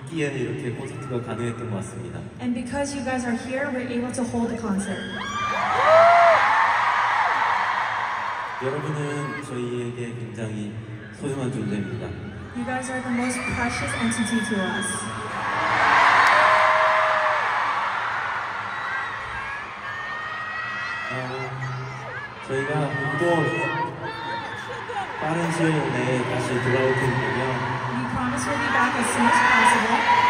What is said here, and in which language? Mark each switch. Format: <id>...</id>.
<en>'Cause you guys are here, we're able to hold the concert.</en> <ko>여러분은 저희에게 굉장히 소중한 존재입니다.</ko> <en>You guys are the most precious entity to us.</en> <ko>저희가 모두 빠른 시일 내에 다시 돌아올 테니까요.</ko> <en>You promise we'll be back as soon as possible.</en>